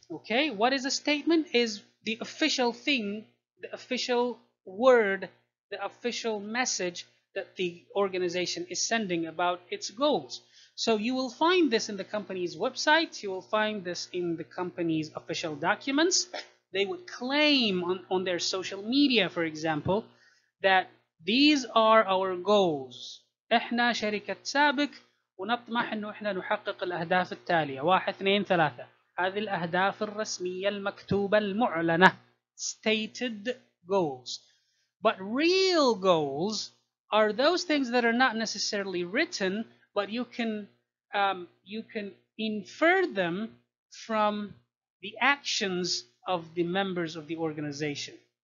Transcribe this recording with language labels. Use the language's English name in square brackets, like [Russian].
[English] Okay, what is a statement? Is the official thing, the official word, the official message that the organization is sending about its goals. So you will find this in the company's website. You will find this in the company's official documents. They would claim on their social media, for example, that these are our goals. [Arabic] احنا شركة سابق ونطمح انه احنا نحقق الاهداف التالية. 1, 2, 3. هذه الأهداف الرسمية المكتوبة المعلنة. [English] Stated goals. But real goals are those things that are not necessarily written, but you can infer them from the actions of the members of the organization.